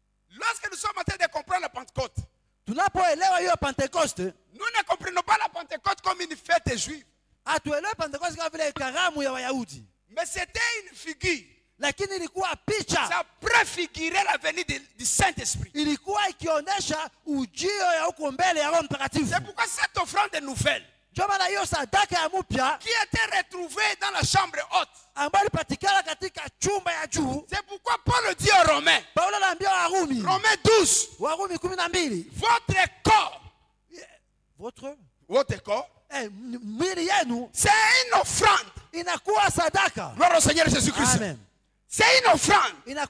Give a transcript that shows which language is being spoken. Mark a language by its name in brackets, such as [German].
[French] Lorsque nous sommes en train de comprendre la Pentecôte. Tu n'as pas élevé la Pentecôte. Nous ne comprenons pas la Pentecôte comme une fête juive. Ah, tu élèves la Pentecôte comme une karam ou yaoudi. Mais c'était une figure. [Swahili] Lakini ilikuwa picha. [French] Ça préfigurait la venue du Saint-Esprit. [Swahili] Ilikuwa ikionyesha ujio ya huko mbele ya Roho Mtakatifu. [French] C'est pourquoi cette offrande nouvelle. [Swahili] Joma na hiyo sadaka ya mupya. [French] Qui était retrouvée dans la chambre haute. [Swahili] Ambayo ilipatikana katika chumba ya juu. [French] C'est pourquoi Paul dit aux Romains. [Swahili] Paulo anaambia Warumi. [French] Romains 12. [Swahili] Warumi 12. [French] Votre corps. Votre. Votre corps. [Swahili] Eh, mwili yenu. [French] C'est une offrande. [Swahili] Inakuwa sadaka. [French] Gloire au Seigneur Jésus-Christ. Amen. C'est une offrande.